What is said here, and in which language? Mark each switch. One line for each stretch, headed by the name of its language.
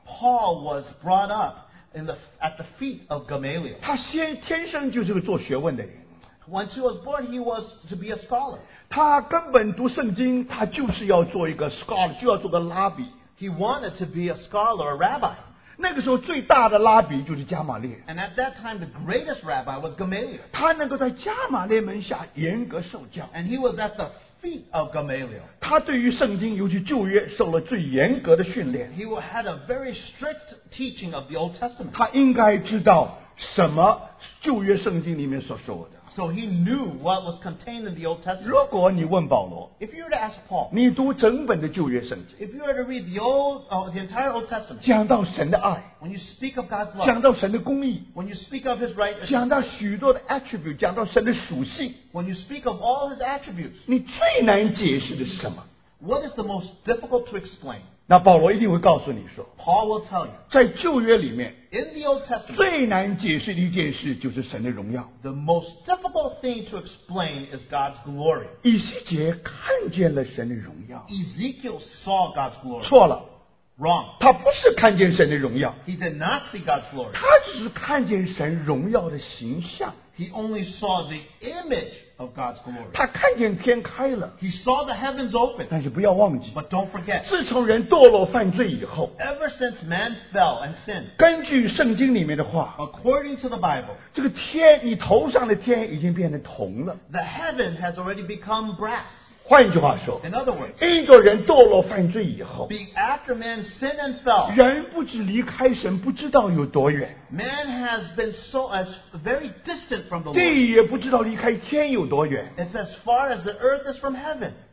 English: Paul was brought up at the feet of Gamaliel.
Chinese: 他先天生就是个做学问的人。
English: Once he was born, he was to be a scholar.
Chinese: 他根本读圣经, 他就是要做一个 scholar, 就要做个拉比。
English: He wanted to be a scholar, a rabbi.
Chinese: 那个时候最大的拉比就是加玛列。
English: And at that time, the greatest rabbi was Gamaliel.
Chinese: 他能够在加玛列门下严格受教。
English: And he was at the feet of Gamaliel.
Chinese: 他对于圣经,尤其旧约,受了最严格的训练。
English: He had a very strict teaching of the Old Testament.
Chinese: 他应该知道什么旧约圣经里面所说的。
English: So he knew what was contained in the Old Testament.
Chinese: 如果你问保罗,
English: if you were to ask Paul,
Chinese: 你读整本的旧约圣经,
English: if you were to read the entire Old Testament,
Chinese: 讲到神的爱,
English: when you speak of God's love,
Chinese: 讲到神的公义,
English: when you speak of his righteousness,
Chinese: 讲到许多的attribute, 讲到神的属性,
English: when you speak of all his attributes,
Chinese: 你最难解释的是什么?
English: What is the most difficult to explain?
Chinese: 那保罗一定会告诉你说,
English: Paul will tell you,
Chinese: 在旧约里面,
English: in the Old Testament,
Chinese: 最难解释的一件事就是神的荣耀。
English: The most difficult thing to explain is God's glory.
Chinese: 以西结看见了神的荣耀。
English: Ezekiel saw God's glory.
Chinese: 错了。
English: Wrong.
Chinese: 他不是看见神的荣耀。
English: He did not see God's glory.
Chinese: 他只是看见神荣耀的形象。
English: He only saw the image of God's glory.
Chinese: 他看见天开了,
English: he saw the heavens open.
Chinese: 但是不要忘记,
English: but don't forget,
Chinese: 自从人堕落犯罪以后,
English: ever since man fell and sinned,
Chinese: 根据圣经里面的话,
English: according to the Bible,
Chinese: 这个天, 你头上的天已经变得铜了,
English: the heaven has already become brass.
Chinese: 换句话说,
English: in other words,
Chinese: 一个人堕落犯罪以后,
English: be after man sinned and fell,
Chinese: 人不止离开神, 不知道有多远,
English: man has been so as very distant from the Lord,
Chinese: 地也不知道离开天有多远,
English: it's as far as the earth is from heaven.